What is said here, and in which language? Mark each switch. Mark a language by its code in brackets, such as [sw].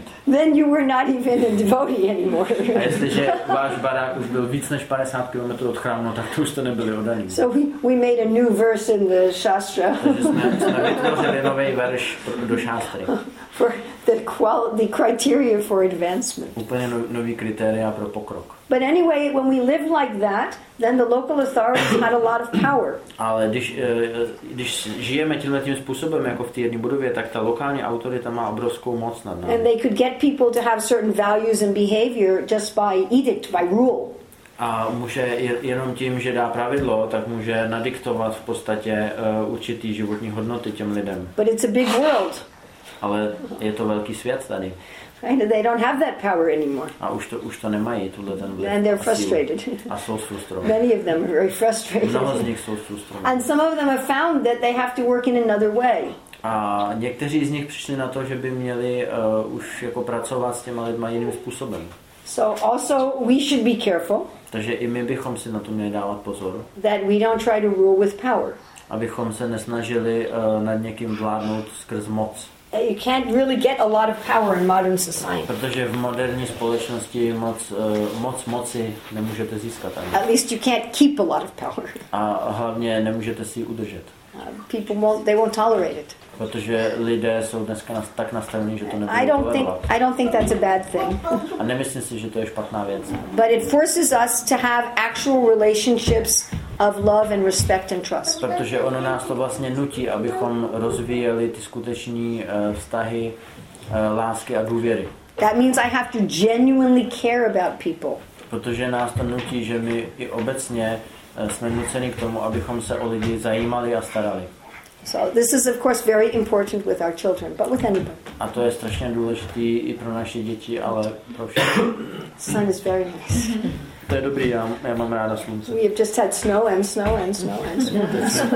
[en] Then you were not even a devotee anymore. [cs] A jestliže váš barák už byl víc než 50 km od chrámu, no, tak to už to nebyli oddaní. [en] So we made a new verse in the Shastra. [cs] Takže jsme vytvořili nový verš do Shastry. [en] for the criteria for advancement. [cs] Úplně nový kritéria pro pokrok. [en] But anyway, when we live like that, then the local authorities had a lot of power. [cs] Ale když žijeme tímhle tím způsobem jako v té jedné budově, tak ta lokální autorita má obrovskou moc nad námi. [en] And they could get people to have certain values and behavior just by edict, by rule. [cs] A může jenom tím, že dá pravidlo, tak může nadiktovat v podstatě určitý životní hodnoty těm lidem. [en] But it's a big world. [cs] Ale je to velký svět tady. [en] And they don't have that power anymore. [cs] A už to nemají tuhle ten vliv. [en] And they're frustrated. [cs] A jsou frustrovaní. [en] Many of them are very frustrated. [cs] Mnoho z nich jsou frustrovaní. [en] And some of them have found that they have to work in another way. [cs] A někteří z nich přišli na to, že by měli už jako pracovat s těma lidma jiným způsobem. [en] So also we should be careful. [cs] Takže i my bychom si na to měli dávat pozor. [en] That we don't try to rule with power. [cs] Abychom se nesnažili nad někým vládnout skrz moc. [en] You can't really get a lot of power in modern society. [cs] Protože v moderní společnosti moc moci nemůžete získat ani. [en] At least you can't keep a lot of power. [cs] A hlavně nemůžete si ji udržet. [en] People won't tolerate it. [cs] Protože lidé jsou dneska tak nastavení, že to nebudou tolerovat. [en] I don't think that's a bad thing. [cs] A nemyslím si, že to je špatná věc. [en] But it forces us to have actual relationships of love and respect and trust. [cs] Protože ono nás to vlastně nutí, abychom rozvíjeli ty skuteční vztahy lásky a důvěry. [en] That means I have to genuinely care about people. [cs] Protože nás to nutí, že my i obecně jsme nuceni k tomu, abychom se o lidi zajímali a starali. [en] So this is of course very important with our children, but with anybody. [cs] A to je strašně důležité i pro naše děti, ale pro všechny. [en] Sun is very nice. [cs] To je dobrý, já mám ráda slunce. [en] We have just had snow and snow and snow and snow.